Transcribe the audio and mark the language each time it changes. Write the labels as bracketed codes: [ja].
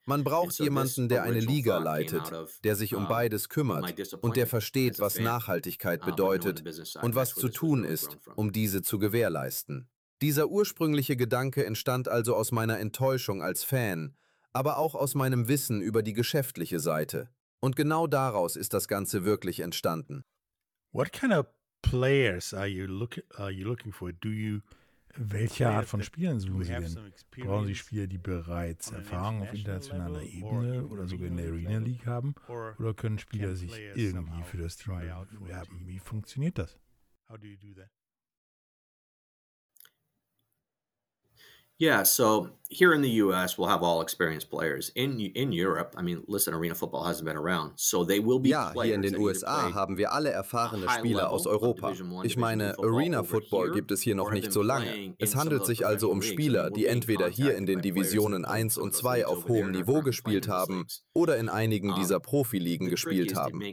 [de] Man braucht jemanden, der eine Liga leitet, der sich um beides kümmert und der versteht, was Nachhaltigkeit bedeutet und was zu tun ist, um diese zu gewährleisten. Dieser ursprüngliche Gedanke entstand also aus meiner Enttäuschung als Fan, aber auch aus meinem Wissen über die geschäftliche Seite. Und genau daraus ist das Ganze wirklich entstanden. [en] What kind of players are you looking for? Do you... [de] Welche Art von Spielern suchen Sie denn? Brauchen Sie Spieler, die bereits Erfahrung auf internationaler Ebene oder sogar in der Arena League haben? Oder können Spieler sich irgendwie für das Team bewerben? Wie funktioniert das? [en] Yeah, so here in the U.S., we'll have all experienced players. In Europe, I mean, listen, arena football hasn't been around, so they will be [de] ja, players. Ja, hier in den USA haben wir alle erfahrene Spieler aus Europa. Ich meine, arena football gibt es hier noch nicht so lange. Es handelt sich also um Spieler, die entweder hier in den Divisionen 1 und 2 auf hohem Niveau gespielt haben oder in einigen dieser Profiligen gespielt haben.